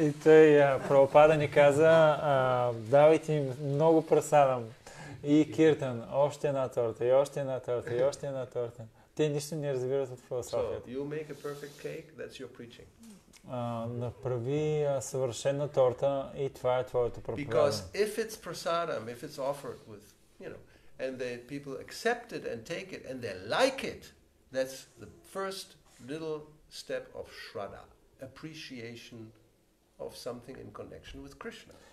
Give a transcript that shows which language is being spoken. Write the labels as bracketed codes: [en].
[bg] И той Прабхупада ни каза, давайте им много прасадам и киртан, още една торта, и още една торта, и още една торта. Те нищо не разбират от философията. [en] So, you make a perfect cake, that's your preaching. [bg] Направи съвършена торта и това е твоето проповедание. [en] Because if it's prasadam, if it's offered with, you know, and the people accept it and take it and they like it, that's the first little step of shraddha, appreciation of something in connection with Krishna.